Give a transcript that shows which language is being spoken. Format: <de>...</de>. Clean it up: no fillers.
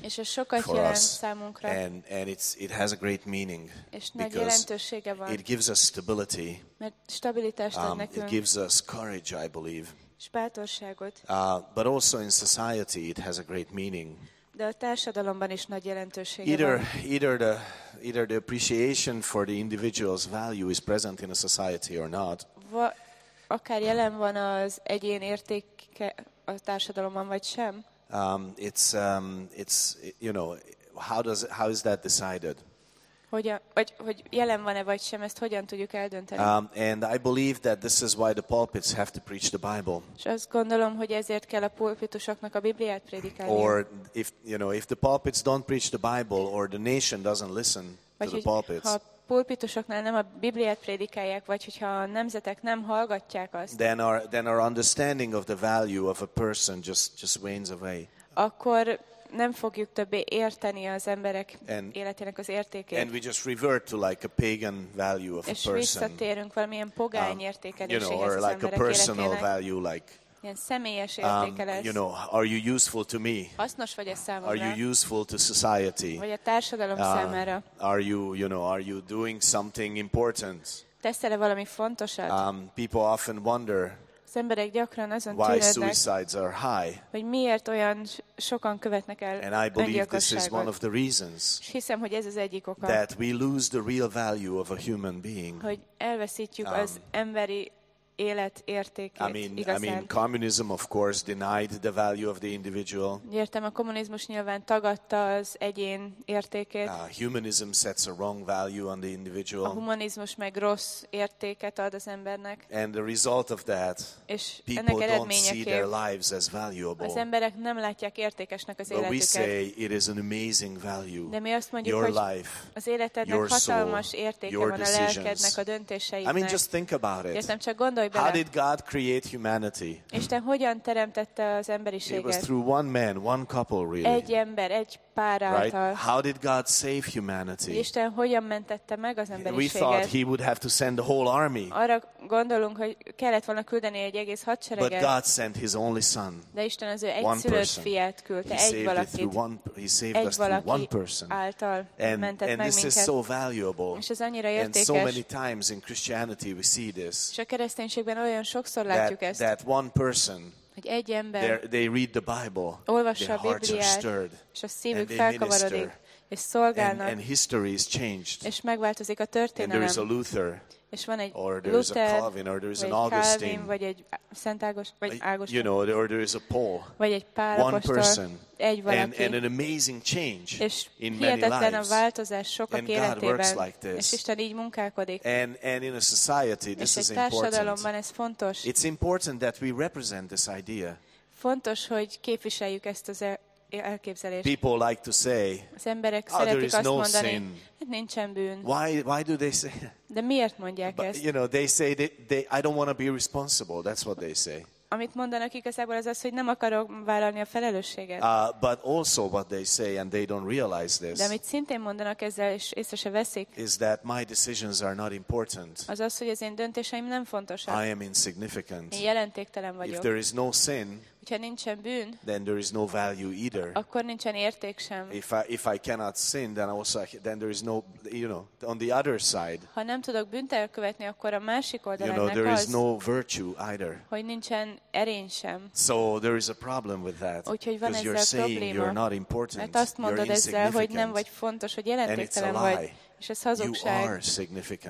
<hu>És ez sokat jelent számunkra.</hu> <en>And it has a great meaning.</en> <hu>És nagy jelentősége van.</hu> <en>It gives us stability.</en> <hu>Mert stabilitást ad nekünk.</hu> <en>It gives us courage, I believe.</en> <hu>És bátorságot.</hu> <en>But also in society it has a great meaning.</en> <hu>De a társadalomban is nagy jelentősége van.</hu> <en>Either the appreciation for the individual's value is present in a society or not.</en> <hu>Akár jelen van az egyén értéke a társadalomban vagy sem?</hu> <en>It's you know, how is that decided?</en> <hu>Hogy jelen van-e vagy sem, ezt hogyan tudjuk eldönteni?</hu> <en>And I believe that this is why the pulpits have to preach the Bible.</en> <hu>És azt gondolom, hogy ezért kell a pulpitusoknak a Bibliát prédikálni.</hu> <en>Or if you know, if the pulpits don't preach the Bible or the nation doesn't listen to the pulpits.</en> <hu>Ha a pulpitusoknál nem a Bibliát prédikálják, vagy hogyha a nemzetek nem hallgatják azt.</hu> <en>Then our understanding of the value of a person just wanes away.</en> <hu>Akkor nem fogjuk többé érteni az emberek életének az értékét.</hu> <en>And we just revert to like a pagan value of a person.</en> <hu>És visszatérünk valamilyen pogány értékeléséhez,</hu> <en>you know, or like a personal</en> <hu>életének.</hu> <en>Value, like</en> <hu>ilyen személyes értéke lesz.</hu> <en>You know, are you useful to me?</en> <hu>Hasznos vagy a számomra?</hu> <en>Are you useful to society?</en> <hu>Vagy a társadalom számára?</hu> <en>Are you, you know, are you doing something important?</en> <hu>Teszel-e valami fontosat?</hu> <en>People often wonder.</en> <hu>Az emberek gyakran azon</hu> <en>why suicides are high.</en> <hu>Hogy miért olyan sokan követnek el öngyilkosságot.</hu> <en>And I believe this is one of the reasons.</en> <hu>Hiszem, hogy ez az egyik oka.</hu> <en>That we lose the real value of a human being.</en> <hu>Hogy elveszítjük az emberi élet értékét.</hu> <en>I mean communism of course denied the value of the individual.</en> <hu>Értem, a kommunizmus nyilván tagadta az egyén értékét.</hu> <en>Humanism sets a wrong value on the individual.</en> <hu>A humanizmus meg rossz értéket ad az embernek.</hu> <en>And the result of that,</en> <hu>és</hu> <en>people don't see their lives as valuable.</en> <hu>Az emberek nem látják értékesnek az életüket.</hu> <en>But we say it is an amazing value.</en> <hu>De mi azt mondjuk, hogy</hu> <en>life,</en> <hu>az életednek hatalmas értéke van,</hu> <en>decisions.</en> <hu>A lelkednek, a döntéseidnek.</hu> <en>I mean, just think about it.</en> <hu>Értem, csak gondolj.</hu> <en>How did God create humanity?</en> <hu>Isten hogyan teremtette az emberiséget?</hu> <en>It was through one man, one couple, really.</en> <hu>Egy ember, egy pár által.</hu> <en>Right? How did God save humanity?</en> <hu>Isten hogyan mentette meg az emberiséget?</hu> <en>We thought he would have to send a whole army.</en> <hu>Arra gondolunk, hogy kellett volna küldeni egy egész hadsereget.</hu> <en>But God sent his only son.</en> <hu>De Isten az ő egyszülött fiát küldte, egy valakit.</hu> <en>He saved us through one person. And this is so valuable.</en> <hu>És ez annyira értékes.</hu> <en>And so many times in Christianity we see this.</en> <hu>Kereszténységben olyan sokszor látjuk ezt.</hu> <en>That one person,</en> <hu>hogy egy ember,</hu> <en>they read the Bible,</en> <hu>olvassa a Bibliát, és a szívük felkavarodik, és szolgálnak,</hu> <en>and history is changed,</en> <hu>és megváltozik a történelem.</hu> <en>And there is a Luther,</en> <hu>és van egy</hu> <en>or</en> <hu>Luther,</hu> <en>a Calvin, or</en> <hu>vagy</hu> <en>an Augustine,</en> <hu>vagy egy Szent Ágoston, vagy Ágoston,</hu> <en>you know, or there is a Paul,</en> <hu>vagy egy Pál apostol,</hu> <en>one person,</en> <hu>egy valaki,</hu> <en>and an amazing change,</en> <hu>és</hu> <en>in</en> <hu>hihetetlen</hu> <en>many lives.</en> <hu>A változás sokak</hu> <en>and</en> <hu>életében,</hu> <en>like</en> <hu>és Isten így munkálkodik.</hu> <en>And in a society, this</en> <hu>és egy</hu> <en>is</en> <hu>társadalomban Ez fontos.</hu> <en>It's important that we represent this idea.</en> <hu>Fontos, hogy képviseljük ezt az elképzelést.</hu> <en>People like to say,</en> <hu>az emberek oh, szeretik azt</hu> <en>no</en> <hu>mondani,</hu> <en>sin.</en> <hu>Hát nincsen bűn.</hu> <en>Why do they say?</en> <hu>De miért mondják</hu> <en>but,</en> <hu>ezt?</hu> <en>You know, they say they I don't want to be responsible. That's what they say.</en> <hu>Amit mondanak igazából az, hogy nem akarok vállalni a felelősséget.</hu> <en>But also what they say and they don't realize this.</en> <hu>De amit szintén mondanak ezzel és észre se veszik.</hu> <en>Is that my decisions are not important.</en> <hu>Az, hogy az én döntéseim nem fontosak.</hu> <en>I am insignificant.</en> <hu>Én jelentéktelen vagyok.</hu> <en>If there is no sin,</en> <hu>hogyha nincsen bűn,</hu> <en>then there is no value either.</en> <hu>Akkor nincsen érték sem.</hu> <en>If I cannot sin, then also then there is no, you know, on the other side.</en> <hu>Ha nem tudok bűnt elkövetni, akkor a másik oldalon,</hu> <en>you know, there</en> <hu>az,</hu> <en>is no virtue either.</en> <hu>Hogy nincsen erény sem.</hu> <en>So there is a problem with that.</en> <hu>Úgyhogy van ezzel probléma.</hu> <en>Because you're saying you're not important.</en> <hu>Mert azt mondod</hu> <en>you're</en> <hu>ezzel, hogy nem vagy fontos, hogy jelentéktelen vagy. És ez hazugság,</hu> <en>you are significant.</en>